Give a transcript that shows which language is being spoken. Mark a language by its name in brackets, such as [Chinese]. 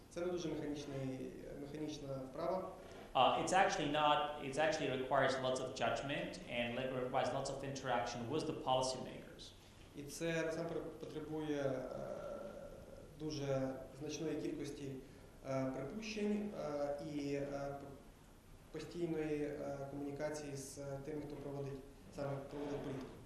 [Ukrainian] Це не дуже механічна вправа. [English] It actually requires lots of judgment and requires lots of interaction with the policy makers. [Ukrainian] І це насамперед потребує дуже значної кількості припущень і постійної комунікації з тими, хто проводить політику.